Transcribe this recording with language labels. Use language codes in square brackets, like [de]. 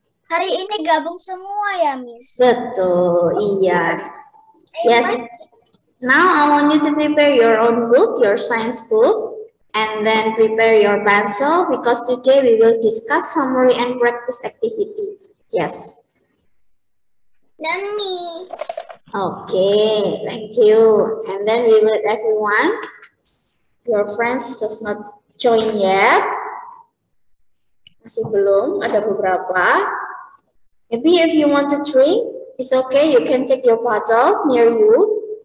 [id] Hari ini gabung semua ya, Miss? Betul, iya. Yes. [en] Now I want you to prepare your own book, your science book, and then prepare your pencil because today we will discuss summary and practice activity. Yes. Then me. Okay, thank you. And then we will everyone, your friends just not join yet. [id] Masih belum, ada beberapa. [en] Maybe if you want to drink, it's okay, you can take your bottle near you.